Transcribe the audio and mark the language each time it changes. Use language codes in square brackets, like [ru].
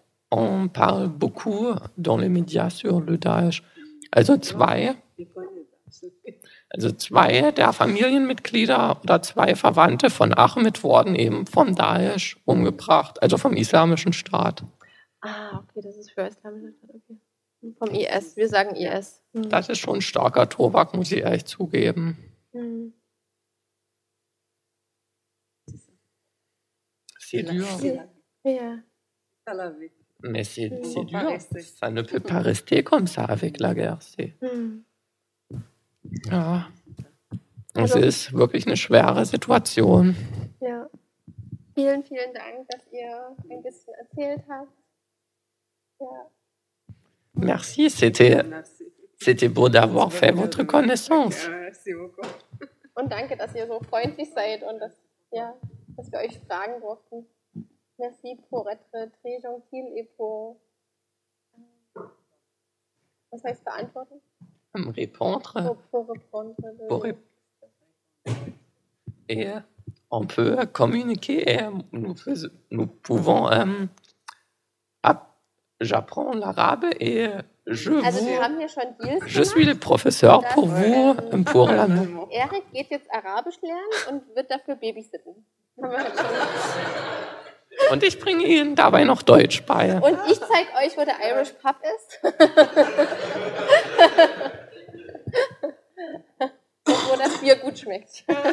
[fr] On parle beaucoup dans les médias sur le Daesh. [de] Also zwei der Familienmitglieder oder zwei Verwandte von Ahmed wurden eben vom Daesh umgebracht, also vom Islamischen Staat. Ah, okay, das ist für Islamischen Staat, okay. Vom IS, wir sagen IS. Das ist schon ein starker Tobak, muss ich ehrlich zugeben. [fr] C'est dur. Ça ne peut pas rester comme ça avec la guerre. [de] Ja. Es ist wirklich eine schwere Situation. Ja. Vielen, vielen Dank, dass ihr ein bisschen erzählt habt. Ja. [fr] Merci, c'était beau d'avoir fait votre connaissance. [de] Und danke, dass ihr so freundlich seid und dass, ja, dass wir euch fragen durften. [fr] Merci pour être très gentil et pour. [de] Was heißt beantworten? [fr] Répondre. Pour répondre. Et on peut communiquer et nous pouvons. J'apprends l'arabe et je also vous. [de] Also, wir haben hier schon Deals. [fr] Je suis le professeur pour vous. Pour la. [de] Eric geht jetzt Arabisch lernen und wird dafür babysitten. Und ich bringe Ihnen dabei noch Deutsch bei. Und ich zeige euch, wo der Irish Pub ist. Und wo das Bier gut schmeckt.